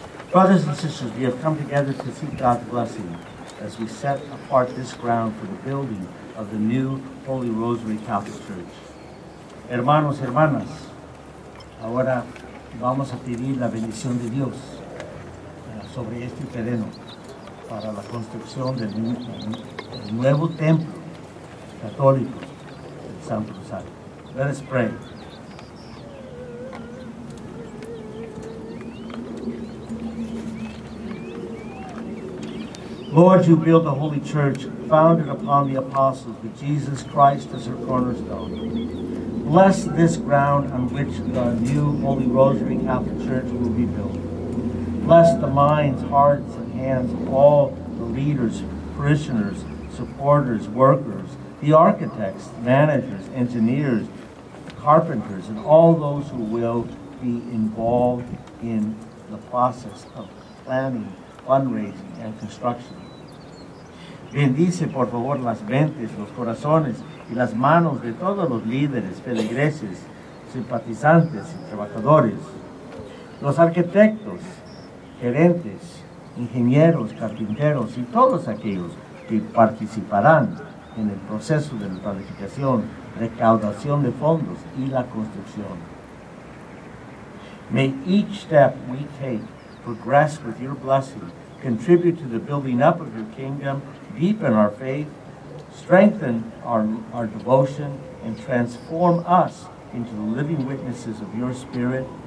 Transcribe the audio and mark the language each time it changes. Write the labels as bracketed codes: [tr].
[en] Brothers and sisters, we have come together to seek God's blessing as we set apart this ground for the building of the new Holy Rosary Catholic Church. [es] Hermanos, hermanas, ahora vamos a pedir la bendición de Dios sobre este terreno para la construcción del nuevo templo católico del Santo Rosario. [en] Let us pray. Lord, you build the Holy Church founded upon the apostles with Jesus Christ as her cornerstone. Bless this ground on which the new Holy Rosary Catholic Church will be built. Bless the minds, hearts, and hands of all the leaders, parishioners, supporters, workers, the architects, managers, engineers, carpenters, and all those who will be involved in the process of planning, fundraising, and construction. [es] Bendice, por favor, las mentes, los corazones y las manos de todos los líderes, feligreses, simpatizantes y trabajadores, los arquitectos, gerentes, ingenieros, carpinteros y todos aquellos que participarán en el proceso de la planificación, recaudación de fondos y la construcción. [en] May each step we take progress with your blessing, contribute to the building up of your kingdom, deepen our faith, strengthen our devotion, and transform us into the living witnesses of your Spirit.